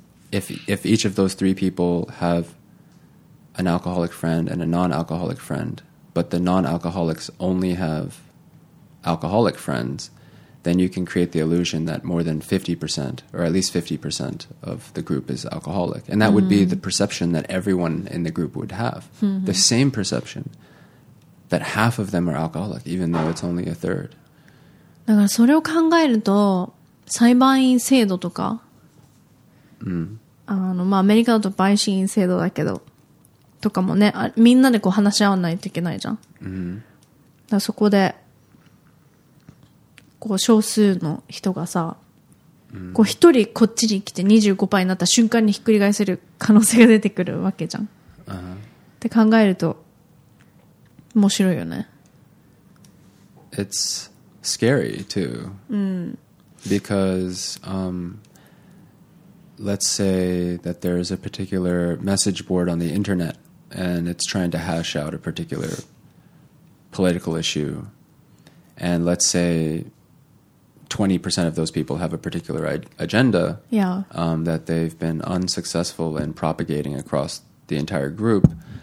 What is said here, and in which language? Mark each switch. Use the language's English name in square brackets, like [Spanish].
[English] if each of those 3 people have an alcoholic friend and a non-alcoholic friend, but the non-alcoholics only have alcoholic friends, then you can create the illusion that more than 50%, or at least 50% of the group is alcoholic. And that would be the perception that everyone in the group would have. The same perception that half of them are alcoholic, even though it's only a third. [Japanese] だからそれを考えると、裁判員制度とか、まあアメリカだと陪審員制度だけど、とかもね、みんなでこう話し合わないといけないじゃん。だからそこでこう少数の人がさ、こう一人こっちに来て 25% になった瞬間にひっくり返せる可能性が出てくるわけじゃん。って考えると面白いよね。 [English] It's scary too. Because let's say that there is a particular message board on the internet, and it's trying to hash out a particular political issue. And let's say 20% of those people have a particular agenda that they've been unsuccessful in propagating across the entire group.